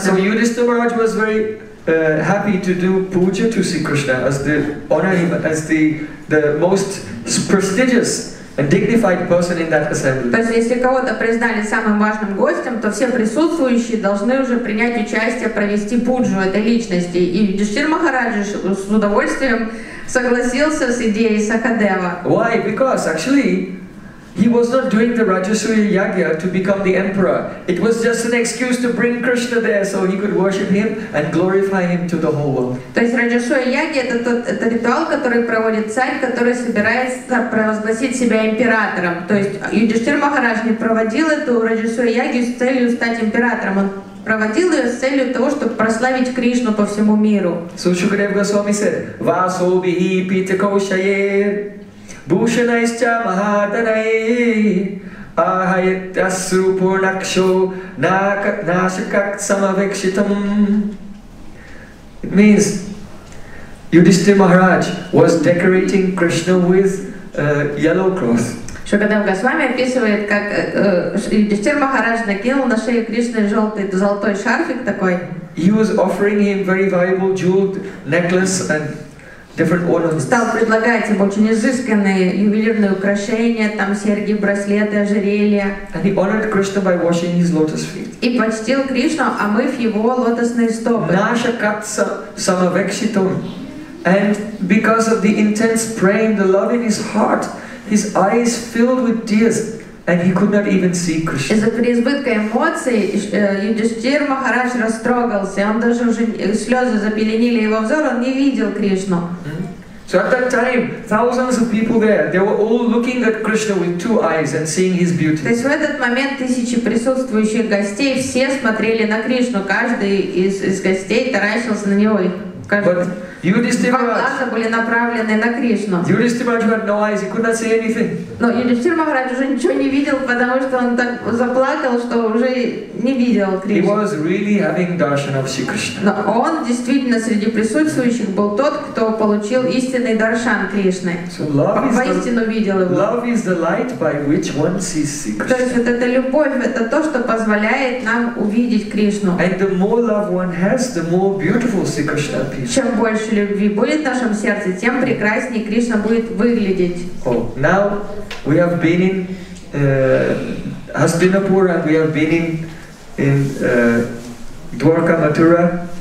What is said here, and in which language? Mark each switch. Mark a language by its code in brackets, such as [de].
[en] So Yudhisthira Maharaj was very happy to do puja to see Krishna as the honor, as the most prestigious and dignified person in that assembly. [ru] То есть, если кого-то признали самым важным гостем, то все присутствующие должны уже принять участие, провести пуджу этой личности. И Юдхиштхира Махараджа с удовольствием согласился с идеей Сахадева. [en] Why? Because actually he was not doing the Rajasuya Yagya to become the emperor. It was just an excuse to bring Krishna there so he could worship him and glorify him to the whole world. [ru] То есть Раджасуя Ягья — это тот, это ритуал, который проводит царь, который собирается провозгласить себя императором. То есть Юдхиштхира Махарадж не проводил эту Раджасуя Ягью с целью стать императором. Он проводил ее с целью того, чтобы прославить Кришну по всему миру. [en] So Shukadev Goswami said, [sa] Vasobihi Pitakoshaye Bhushanaischa Mahatanai Ahayatasrupurnaksho Nashakak Samavikshitam. [en] It means Yudhisthira Maharaj was decorating Krishna with yellow cloth. [ru] Шукадев Госвами описывает, как Юдхиштхира Махарадж накинул на шею Кришны желтый, золотой шарфик такой. [en] He was offering him very valuable jeweled necklace and different ornaments. [ru] Стал предлагать ему очень изысканные ювелирные украшения, там серьги, браслеты, ожерелья. [en] And he honored Krishna by washing his lotus feet. [ru] И почтил Кришну, омыв его лотосные стопы. Наша катса самавекшитон. [en] And because of the intense praying, the love in his heart, his eyes filled with tears, and he could not even see Krishna. [ru] Из-за переизбытка эмоций Юдхиштхира Махарадж растрогался, он даже уже слезы запеленили его взор, он не видел Кришну. [en] So at that time, thousands of people there, they were all looking at Krishna with two eyes and seeing his beauty. [ru] То есть в этот момент тысячи присутствующих гостей все смотрели на Кришну, каждый из гостей таращился на него. [en] Yudhisthira Maharaj had no eyes, he could not see anything. [ru] Но Юдхиштхира Махарадж уже ничего не видел, потому что он так заплакал, что уже не видел Кришну. [en] He was really having darshan of Sri Krishna. [ru] Но он действительно среди присутствующих был тот, кто получил истинный даршан Кришны. [en] So love is [ru] воистину видел его. [en] Love is the light by which one sees Sri Krishna. [ru] То есть вот эта любовь — это то, что позволяет нам увидеть Кришну. [en] And the more love one has, the more beautiful Sri Krishna appears. [ru] Чем больше любви будет в нашем сердце, тем прекраснее Кришна будет выглядеть. [en] Oh, now we have been in Hastinapur and we have been in Dwarka Mathura.